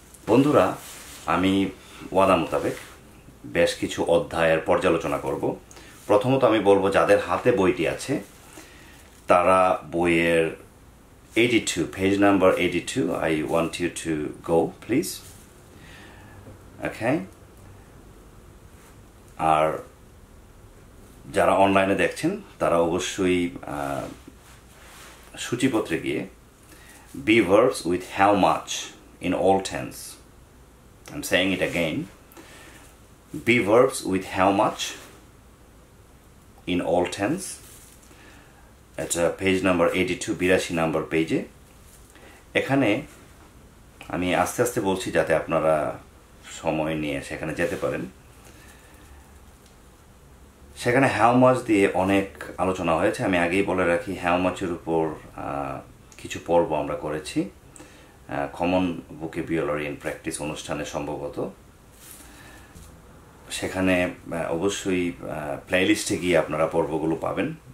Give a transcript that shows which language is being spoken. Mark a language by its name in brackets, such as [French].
[Bangla] বন্ধুরা, আমি ওয়াদা মোতাবেক বেশ কিছু অধ্যায়ের পর্যালোচনা করব। প্রথমত আমি বলবো যাদের হাতে বইটি আছে তারা বইয়ের 82 page number 82 [English] I want you to go please, [Bangla] ওকে। আর যারা অনলাইনে দেখছেন তারা অবশ্যই সূচিপত্রে গিয়ে [English] Be verbs with how much in all tense, I'm saying it again, be verbs with how much in all tense at page number 82 82 number page. [Bangla] এখানে আমি আস্তে আস্তে বলছি যাতে আপনারা সময় নিয়ে সেখানে যেতে পারেন। সেখানে হ্যাও মাচ দিয়ে অনেক আলোচনা হয়েছে, আমি আগেই বলে রাখি হ্যাও মাচের উপর কিছু পর্ব আমরা করেছি কমন ভোকাবুলারি ইন প্র্যাকটিস অনুষ্ঠানে সম্ভবত, সেখানে অবশ্যই প্লেলিস্টে গিয়ে আপনারা পর্বগুলো পাবেন।